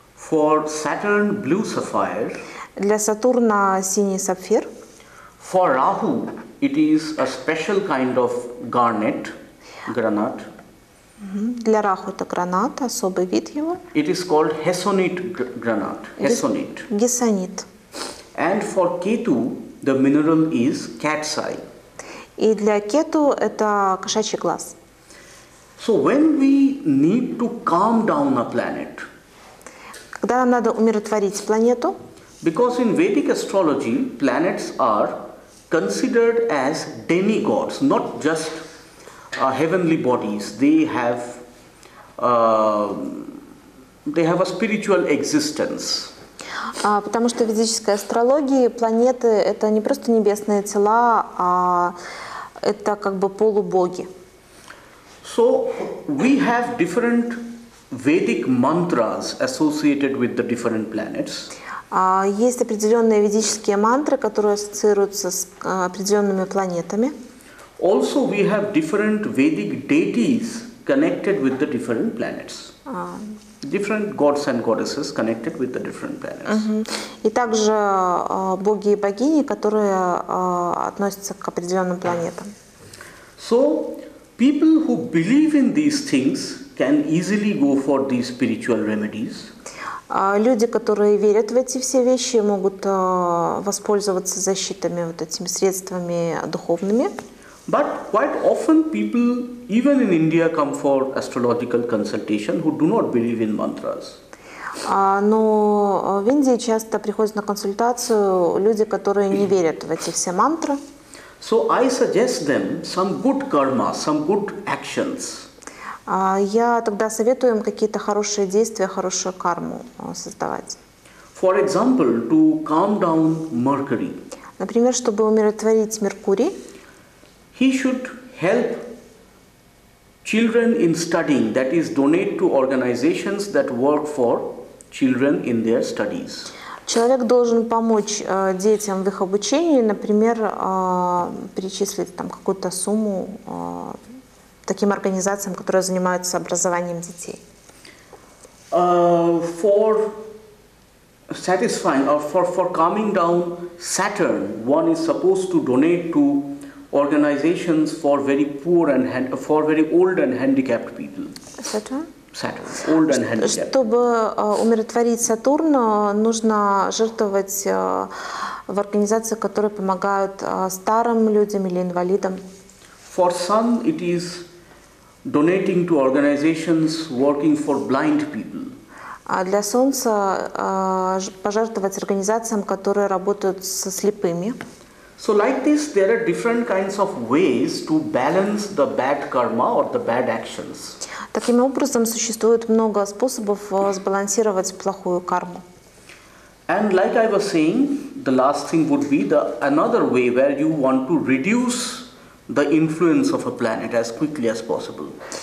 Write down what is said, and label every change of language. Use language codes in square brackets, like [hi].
[en] For Saturn blue sapphire. [ru] Для Сатурна синий сапфир. [en] For Rahu it is a special kind of garnet, гранат. [ru] Для Раху это гранат, особый вид его. [en] It is called Hessonite granat. Hessonite. [ru] Гессонит. [en] And for Ketu the mineral is cat's eye. [ru] И для Кету это кошачий глаз. [en] So when we need to calm down a planet. [ru] Когда нам надо умиротворить планету? [en] Because in Vedic astrology planets are considered as demigods, not just heavenly bodies. They have a spiritual existence. [ru] Потому что в ведической астрологии планеты это не просто небесные тела, а это как бы полубоги. [en] So we have different Vedic mantras associated with the different planets. [ru] Есть определенные ведические мантры, которые ассоциируются с определенными планетами. [en] Also, we have different Vedic deities connected with the different planets. Different gods and goddesses connected with the different planets. [ru] И также боги и богини, которые относятся к определенным планетам. [en] So, people who believe in these things can easily go for these spiritual remedies. [ru] Люди, которые верят в эти все вещи, могут воспользоваться защитами, вот этими средствами духовными. [en] But quite often people, even in India, come for astrological consultation who do not believe in mantras. [ru] Но в Индии часто приходят на консультацию люди, которые не верят в эти все мантры. [en] So I suggest them some good karma, some good actions. [ru] Я тогда советую им какие-то хорошие действия, хорошую карму создавать. [en] For example, to calm down Mercury. [ru] Например, чтобы умиротворить Меркурий. [en] He should help children in studying, that is, donate to organizations that work for children in their studies. [ru] Человек должен помочь детям в их обучении, например, перечислить там какую-то сумму таким организациям, которые занимаются образованием детей. [en] For satisfying, for calming down Saturn, one is supposed to donate to organizations for very poor and for very old and handicapped people. Saturn. Old and handicapped. [ru] Чтобы умиротворить Сатурн, нужно жертвовать в организации, которые помогают старым людям или инвалидам. [en] For Sun, it is donating to organizations working for blind people. [ru] А для Солнца пожертвовать организациям, которые работают со слепыми. [en] So like this, there are different kinds of ways to balance the bad karma or the bad actions. [ru] Таким образом, существует много способов сбалансировать плохую карму. [en] And like I was saying, the last thing would be the another way where you want to reduce the influence of a planet as quickly as possible.